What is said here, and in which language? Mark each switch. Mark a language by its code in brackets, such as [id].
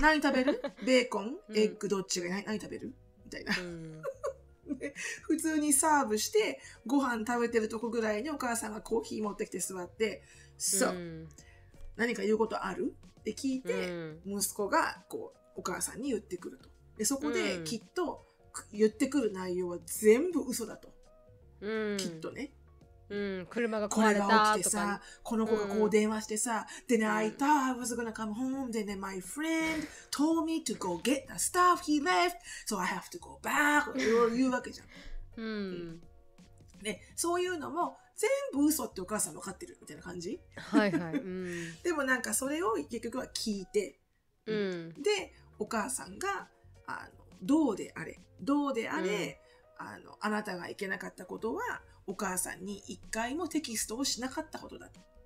[ja] 何食べる、ベーコンエッグどっちが、何食べるみたいな、普通にサーブしてご飯食べてるとこぐらいにお母さんがコーヒー持ってきて座って、そう、うん、何か言うことあるって聞いて、うん、息子がこうお母さんに言ってくると、でそこできっと、うん、言ってくる内容は全部嘘だと、うん、きっとね、うん、車が壊れたとか、これが起きてさ、この子がこう電話してさ、うん、でね、うん、 [en] I thought I was gonna come home [ja] で、ね、 [en] my friend told me to go get the stuff he left so I have to go back [ja] って言うわけじゃん、うんうん、ね、そういうのも全部嘘ってお母さん分かってるみたいな感じ、はいはい、うん、でもなんかそれを結局は聞いて、うん、でお母さんがあのどうであれどうであれ、うん、あなたがいけなかったことはお母さんに一回もテキストをしなかったことだと、